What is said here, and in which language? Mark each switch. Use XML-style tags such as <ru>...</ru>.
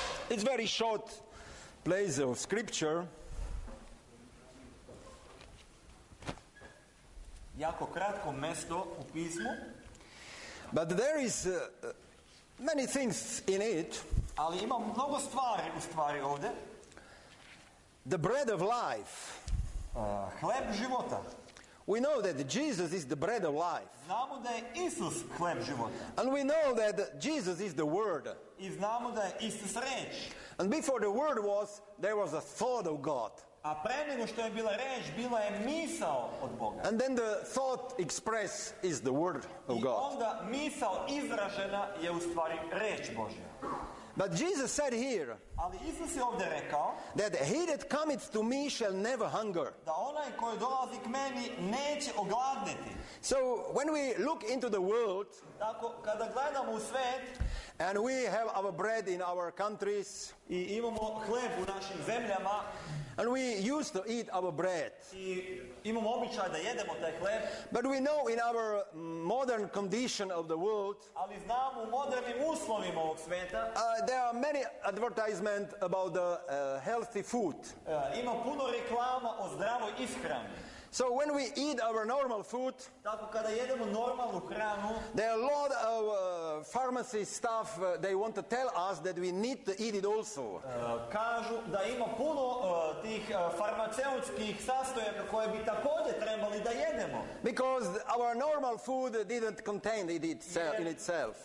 <en>It's very short place of scripture.</en> <sr>Jako kratko mesto u pismu.</sr> <en>But there is many things in it.</en> <sr>Ali ima mnogo stvari u stvari ovde.</sr> <en>The bread of life.</en> <sr>Hleb života.</sr> <en>We know that Jesus is the bread of life.</en> <sr>Znamo da je Isus hleb života.</sr> <en>And we know that Jesus is the Word.</en> <sr>I znamo da je Isus reč.</sr> <en>And before the Word was, there was a thought of God.</en> <sr>A pre nego što je bila reč, bila je misao od Boga.</sr> <en>And then the thought express is the Word of God.</en> <sr>I onda misao izražena je u stvari reč Božja.</sr> <en>But Jesus said here,</en> <sr>ali Isus je ovde rekao,</sr> <en>that he that cometh to me shall never hunger.</en> <sr>Da onaj koji dolazi k meni neće ogladniti.</sr> <en>So when we look into the world,</en> <sr>tako, kada gledamo u svet,</sr> <en>and we have our bread in our countries,</en> <sr>i imamo hleb u našim zemljama,</sr> <en>and we used to eat our bread,</en> <sr>i imamo običaj da jedemo taj hleb,</sr> <en>but we know in our modern condition of the world,</en> <sr>ali znamo u modernim uslovima ovog sveta,</sr> <en>there are many advertisements about the healthy food.</en> <sr>Ima puno reklama o zdravoj ishrani.</sr> <en>So when we eat our normal food,</en> <sr>tako kada jedemo normalnu hranu,</sr> <en>there are a lot of pharmacy staff, they want to tell us that we need to eat it also.</en> <sr>Kažu da ima puno tih farmaceutskih sastojaka koje bi također trebali da jedemo.</sr> <en>Because our normal food didn't contain it in itself.</en>